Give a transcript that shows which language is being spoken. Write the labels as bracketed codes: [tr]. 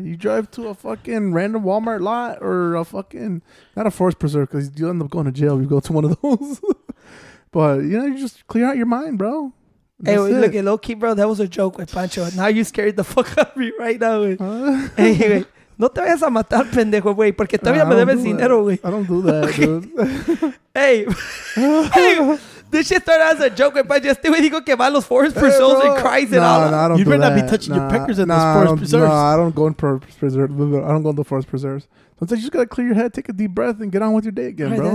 [en] You drive to a fucking random Walmart lot or a fucking, not a forest preserve, because you end up going to jail if you go to one of those. But, you know, you just clear out your mind, bro. That's hey, wait, look, low key, bro, that was a joke with Pancho. Now you scared the fuck out of me right now. Anyway. [es] No te vayas a matar, pendejo, güey, porque todavía me debes dinero, güey. [en] I don't do that, okay. Dude. Hey, this shit started as a joke, but just the way he go [es] que va a los [en] forest preserves and cries and all. No, I don't you do better that. Not be touching your peckers in those forest preserves. No, I don't go in forest preserves. I don't go in the forest preserves. Sometimes you just got to clear your head, take a deep breath, and get on with your day again, all right, bro.